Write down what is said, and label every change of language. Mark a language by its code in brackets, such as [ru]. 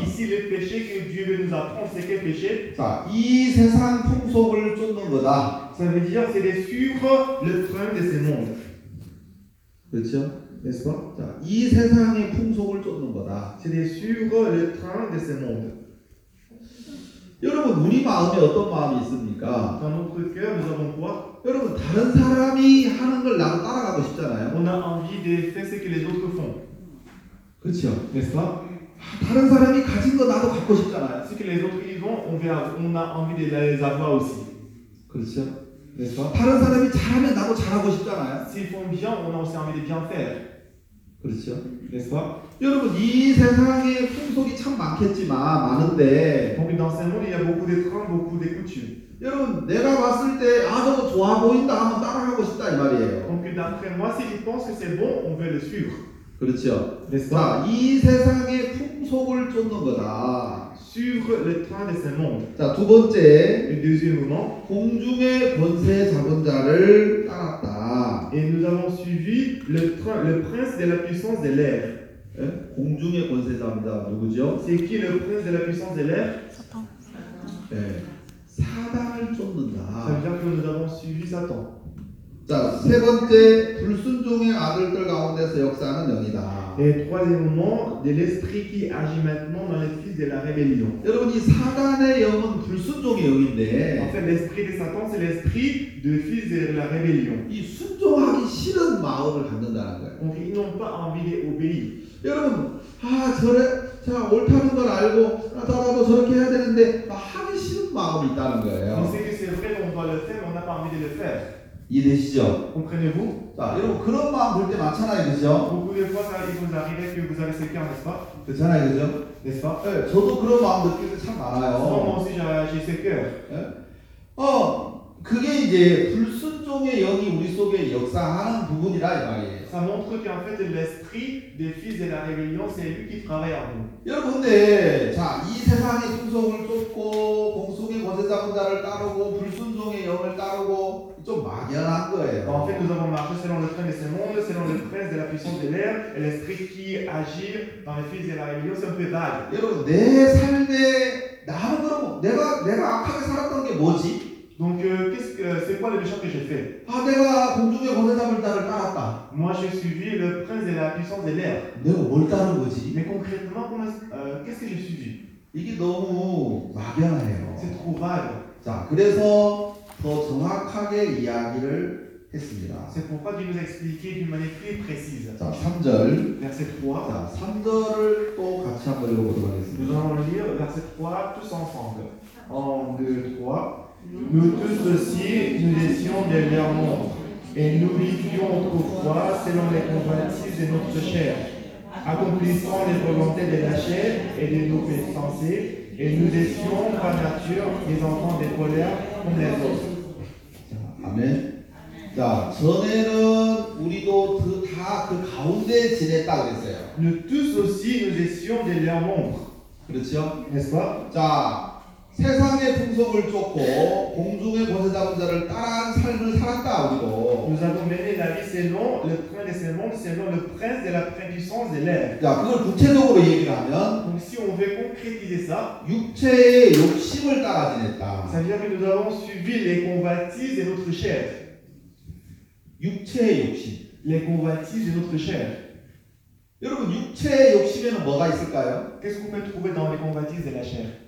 [fr] Ici le péché que Dieu veut nous apprendre, c'est quel péché? [ko] 자 이 세상 풍속을 쫓는 거다. [fr] Ça veut dire c'est de suivre le train de ce monde. [ko] 그렇죠? [fr] N'est-ce pas? [ko] 자 이 세상의 풍속을 쫓는 거다. [fr] C'est de suivre le train de ce monde. [ko] 여러분 우리 마음에 어떤 마음이 있습니까? [fr] Dans notre cœur, nous avons quoi? [ko] 여러분 다른 사람이 하는 걸 나도 따라가고 싶잖아요. [fr] On a envie de faire ce que les autres font. [ko] 그렇죠? [fr] N'est-ce pas? [ko] 다른 사람이 가진 거 나도 갖고 싶잖아요. [fr] Ce que les autres ils ont, on a envie de les avoir aussi. [ko] 그렇죠? [fr] N'est-ce pas? [ko] 다른 사람이 잘하면 나도 잘하고 싶잖아요. [fr] S'ils font bien, on a aussi envie de bien faire. [ko] 그렇죠? [fr] N'est-ce pas? [ko] 여러분 이 세상에 풍속이 참 많겠지만 많은데. [fr] Donc dans ce monde il y a beaucoup de trains, beaucoup de coutumes. [ko] 여러분 내가 봤을 때 아 저거 좋아 보인다 한번 따라가고 싶다 이 말이에요. [fr] Donc d'après moi si je pense que c'est bon, on veut le suivre. [ko] 그렇죠. [fr] N'est-ce pas? [ko] 이 세상에 풍속을 쫓는 거다. [fr] Suivre le train de ce monde. [ko] 자, 두 번째. [fr] Le deuxième moment. [ko] 공중의 권세 잡은 자를 따랐다. [fr] Et nous avons suivi le train, le prince de la puissance de l'air. [ko] 예? 공중의 권세 잡은 자 누구죠? [fr] C'est qui le prince de la puissance de l'air? [ko] 사탄. 사단을 쫓는다. [fr] Ça veut dire que nous avons suivi Satan. [ko] 자, 세 번째 불순종의 아들들 가운데서 역사하는 영이다. [fr] Et troisièmement, de l'esprit qui agit maintenant dans les fils de la rébellion. [ko] 여러분, 이 사단의 영은 불순종의 영인데. [fr] En fait, l'esprit de Satan, c'est l'esprit de fils de la rébellion. [ko] 이 순종하기 싫은 마음을 갖는다는 거예요. [fr] Donc, ils n'ont pas envie d'obéir. [ko] 여러분, 아, 저래, 자, 옳다는 걸 알고, 나도 저렇게 해야 되는데, 막 하기 싫은 마음이 있다는 거예요. [fr] On sait que c'est vrai, on doit le faire, on n'a pas envie de le faire. [ko] 이해되시죠? [fr] Comprenez-vous? [ko] 자, 여러분 그런 마음 볼 때 많잖아요, 그죠? [fr] Beaucoup de fois, ça vous arrive que vous avez ce cas, n'est-ce pas? [ko] 그렇잖아요, 그죠? [fr] N'est-ce pas? [ko] 네, 저도 그런 마음 느낄 때 참 많아요. [fr] Moi aussi, j'ai ce cas. 네? [ko] 어, 그게 이제 불순종의 영이 우리 속에 역사하는 부분이라 이 말이에요. [fr] Ça montre qu'en fait, l'esprit des fils de la rébellion, c'est lui qui travaille en nous. [ko] 여러분, 네, 자, 이 세상의 풍속을 쫓고 공속의 권세 잡은 자를 따르고 불순종의 영을 따르고 좀 막연한 거예요. [fr] En fait, nous avons marché selon le train de ce monde, selon le prince de la puissance de l'air, et l'esprit qui agit dans les fils de la rébellion, c'est un peu vague. [ko] 여러분, 내 삶에 나를 그러고 내가 악하게 살았던 게 뭐지? [fr] Donc, c'est quoi le méchant que j'ai fait? [ko] 아, 내가 공중의 권세 잡은 자를 따랐다. [fr] Moi, j'ai suivi le prince de la puissance de l'air. [ko] 내가 뭘 따른 거지? [fr] Mais concrètement, qu'est-ce que j'ai suivi? [ko] 이게 너무 막연해요. [fr] C'est trop vague. [ko] 자, 그래서 더 정확하게 이야기를 했습니다. [fr] C'est pourquoi je vous explique d'une manière plus précise. [ko] 자, 3절. [fr] Verset 3. [ko] 자, 3절을 또 같이 한번 읽어보도록 하겠습니다. [fr] Nous allons lire verset 3 tous ensemble. 1, 2, 3. Nous tous aussi, nous étions des vers montres, et nous vivions autrefois selon les convoitises de notre chair, accomplissant les volontés de la chair et de nos pensées, et nous étions par nature des enfants des colères comme les autres. Amen. [ko] 자, 전에는 우리도 다 그 가운데 지냈다 그랬어요. [fr] Nous tous aussi, nous étions des vers montres. [ko] 그렇죠? [fr] N'est-ce pas? [ko] 자, 세상의 풍속을 쫓고 공중의 권세 잡은 자를 따라한 삶을 살았다 우리도. [fr] Nous avons mené la vie selon le prince de ce monde, selon le prince de la puissance de l'air. [ko] 자, 그걸 구체적으로 얘기하면, [fr] si on veut concrétiser ça, [ko] 육체의 욕심을 따라 지냈다. [fr] Ça veut dire que nous avons suivi les convoitises de notre chair. [ko] 육체의 욕심. [fr] Les convoitises de notre chair. [ko] 여러분, 육체의 욕심에는 뭐가 있을까요? [fr] Qu'est-ce qu'on peut trouver dans les convoitises de la chair?